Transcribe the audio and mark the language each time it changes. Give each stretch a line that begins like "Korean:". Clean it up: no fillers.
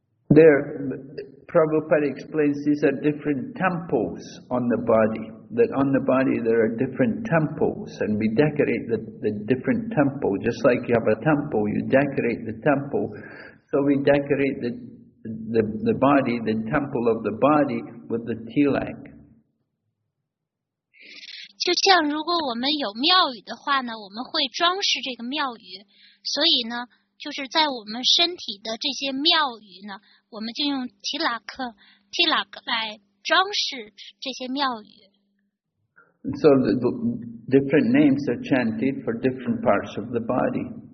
English: There, Prabhupada explains these are different temples on the body. That on the body there are different temples, and we decorate the different temple. Just like you have a temple, you decorate the temple. So we decorate the body, the temple of the body, with the tilak.
Chinese: 就像如果我们有庙宇的话呢，我们会装饰这个庙宇。所以呢，就是在我们身体的这些庙宇呢，我们就用tilak 来装饰这些庙宇。
English: So the different names are chanted for different parts of the body.